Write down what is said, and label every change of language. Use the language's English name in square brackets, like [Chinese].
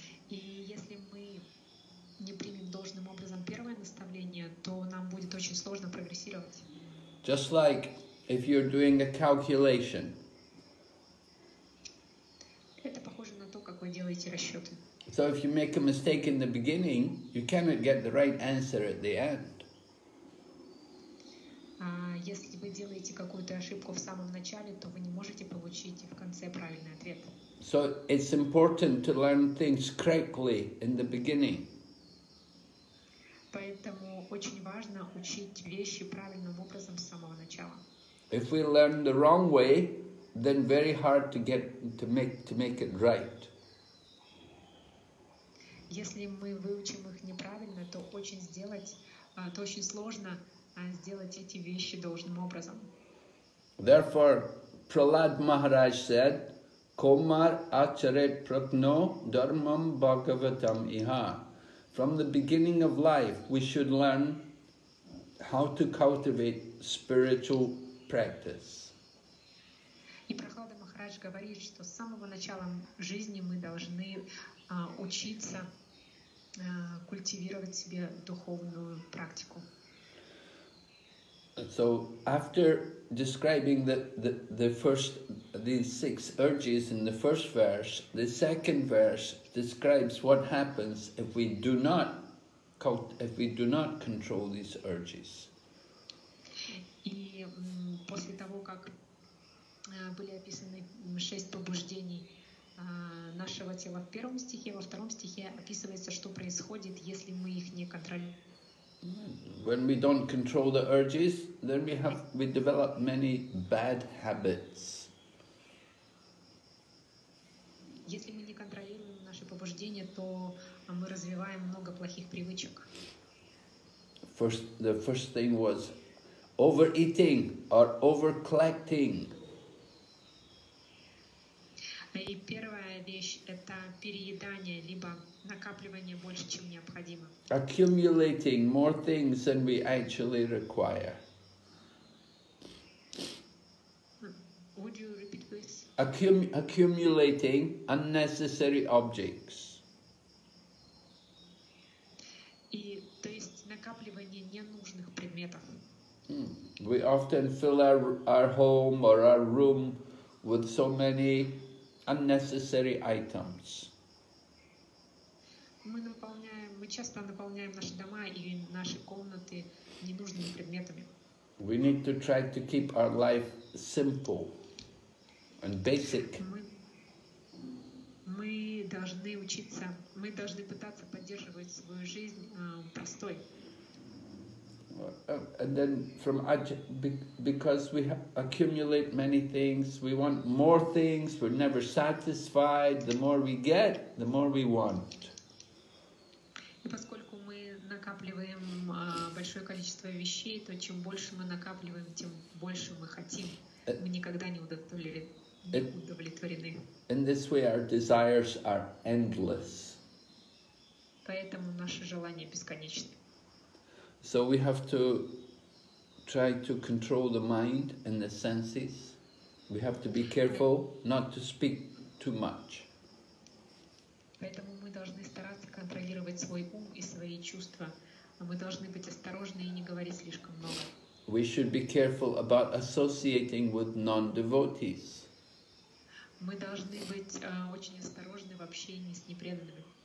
[Russian] И если мы не примем должным образом первое наставление, то нам будет очень сложно прогрессировать. [English] Just like if you're doing a calculation. [Russian] Это похоже на то, как вы делаете расчеты. [English] So if you make a mistake in the beginning, you cannot get the right answer at the end. [Russian] Если вы делаете какую-то ошибку в самом начале, то вы не можете получить в конце правильный ответ. [English] So it's important to learn things correctly in the beginning. [Russian] Поэтому очень важно учить вещи правильным образом с самого начала. [English] If we learn the wrong way, then very hard to make it right. [Russian] Если мы выучим их неправильно, то очень сложно сделать эти вещи должным образом. [English] Therefore, Prahlad Maharaj said, [Sanskrit] Komar acharet prakno dharmam bhagavatam iha. [English] From the beginning of life, we should learn how to cultivate spiritual practice. [Russian] И Прохлада Махарадж говорит, что с самого начала жизни мы должны учиться культивировать себе духовную практику. [English] So after describing the first these six urges in the first verse, the second verse describes what happens if we do not control these urges. [Russian] И после того, как были описаны шесть побуждений нашего тела в первом стихе, во втором стихе описывается, что происходит, если мы их не контролируем. [English] When we don't control the urges, then we develop many bad habits. [Russian] Если мы не контролируем наши побуждения, то мы развиваем много плохих привычек. [English] The first thing was overeating or overcollecting. [Russian] И первая вещь – это переедание, либо накапливание больше, чем необходимо. [English] Accumulating more things than we actually require. Would you repeat, please? Accumulating unnecessary objects. [Russian] И, то есть, накапливание ненужных предметов. [English] We often fill our home or our room with so many unnecessary items. [Russian] Мы часто наполняем наши дома и наши комнаты ненужными предметами. [English] We need to try to keep our life simple and basic. [Russian] Мы должны пытаться поддерживать свою жизнь простой. [English] And then from because we accumulate many things, we want more things, we're never satisfied. The more we get, the more we want. [Russian] И поскольку мы накапливаем большое количество вещей, то чем больше мы накапливаем, тем больше мы хотим. Мы никогда не удовлетворены. [English] In this way our desires are endless. [Russian] Поэтому наши желания бесконечны. [English] So we have to try to control the mind and the senses. We have to be careful not to speak too much. [Russian] Поэтому мы должны стараться контролировать свой ум и свои чувства. Мы должны быть осторожны и не говорить слишком много. [English] We should be careful about associating with non-devotees. [Russian] Мы должны быть очень осторожны в общении с непреданными.